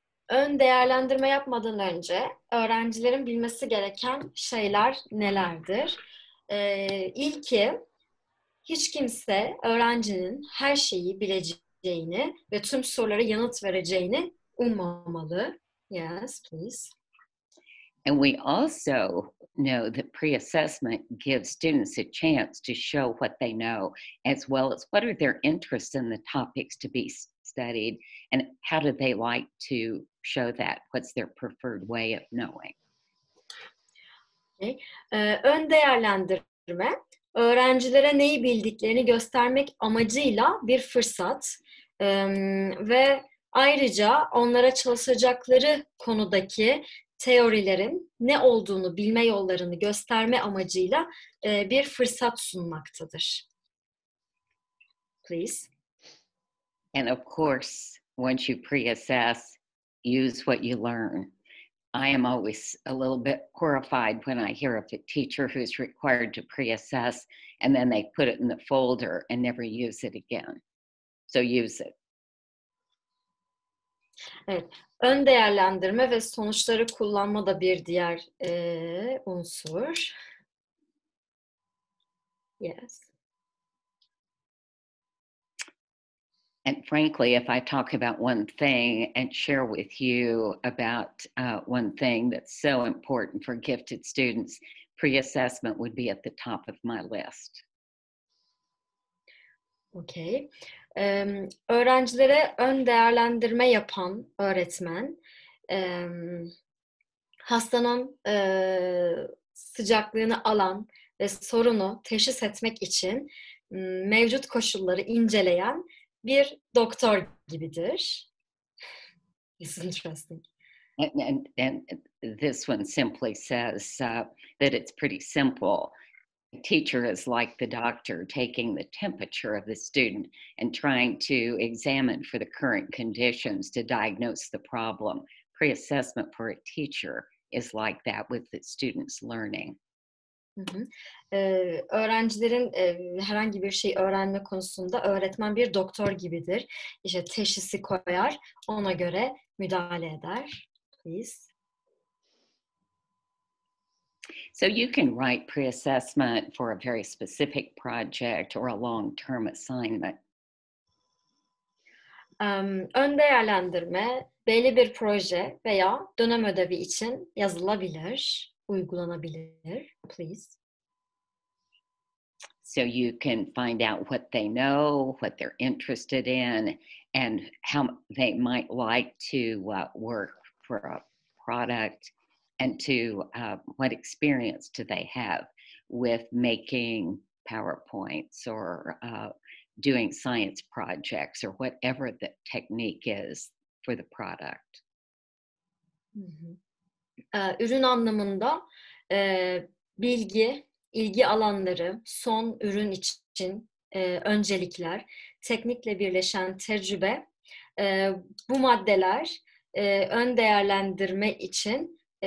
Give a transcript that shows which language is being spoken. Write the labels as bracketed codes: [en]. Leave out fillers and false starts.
[tr] Ön değerlendirme yapmadan önce öğrencilerin bilmesi gereken şeyler nelerdir? İlki, hiç kimse öğrencinin her şeyi bileceğini ve tüm sorulara yanıt vereceğini ummamalı. [en] Yes, please. And we also know that pre-assessment gives students a chance to show what they know, as well as what are their interests in the topics to be studied, and how do they like to show that? What's their preferred way of knowing? Okay. [tr] Ön değerlendirme, öğrencilere neyi bildiklerini göstermek amacıyla bir fırsat. Ve ayrıca onlara çalışacakları konudaki teorilerin ne olduğunu bilme yollarını gösterme amacıyla bir fırsat sunmaktadır. [en] Please. And of course, once you pre-assess, use what you learn. I am always a little bit horrified when I hear of a teacher who's required to pre-assess and then they put it in the folder and never use it again. So use it. [tr] Evet, ön değerlendirme ve sonuçları kullanma da bir diğer unsur. [en] Yes. And frankly, if I talk about one thing and share with you about one thing that's so important for gifted students, pre-assessment would be at the top of my list. Okay. [tr] Öğrencilere ön değerlendirme yapan öğretmen, hastanın sıcaklığını alan ve sorunu teşhis etmek için mevcut koşulları inceleyen bir doktor gibidir. [en] It's interesting. And this one simply says that it's pretty simple. A teacher is like the doctor taking the temperature of the student and trying to examine for the current conditions to diagnose the problem. Pre-assessment for a teacher is like that with the student's learning. [tr] Öğrencilerin herhangi bir şey öğrenme konusunda öğretmen bir doktor gibidir. İşte teşhisi koyar, ona göre müdahale eder. [en] Please. So you can write pre-assessment for a very specific project or a long-term assignment. [tr] Ön değerlendirme belli bir proje veya dönem ödevi için yazılabilir, uygulanabilir. [en] Please. So you can find out what they know, what they're interested in, and how they might like to work for a product. And to what experience do they have with making PowerPoints or doing science projects or whatever the technique is for the product. [tr] Ürün anlamında bilgi, ilgi alanları, son ürün için öncelikler, teknikle birleşen tecrübe, bu maddeler ön değerlendirme için